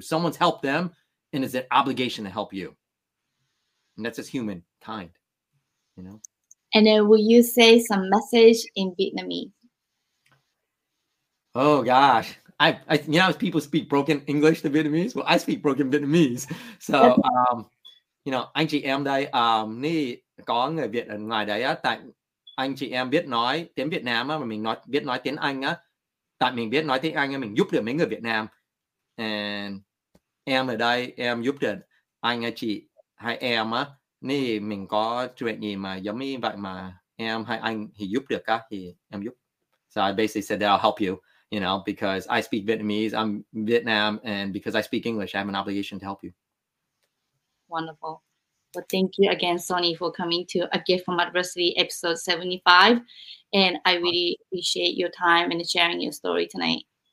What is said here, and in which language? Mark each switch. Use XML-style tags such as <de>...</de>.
<en>Someone's helped them, and it's an obligation to help you. And that's just humankind, you know? And then will you say some message in Vietnamese? Oh, gosh. I you know, people speak broken English to Vietnamese. Well, I speak broken Vietnamese.</en> <vi>So, you know, anh chị em đây, ni có người Việt ở ngoài đấy á, tại anh chị em biết nói tiếng Việt Nam á, mà mình nói, biết nói tiếng Anh á, tại mình biết nói tiếng Anh á, mình giúp được mấy người Việt Nam. And em ở đây, em giúp được anh, chị, hai em á, nè mình có chuyện gì mà giống như vậy mà em hay anh thì giúp được á thì em giúp.</vi> <en>So I basically said that I'll help you. you know, because I speak Vietnamese, I'm Vietnam, and because I speak English, I have an obligation to help you. Wonderful. Well, thank you again, Sonny, for coming to A Gift from Adversity, episode 75. And I really appreciate your time and sharing your story tonight.</en>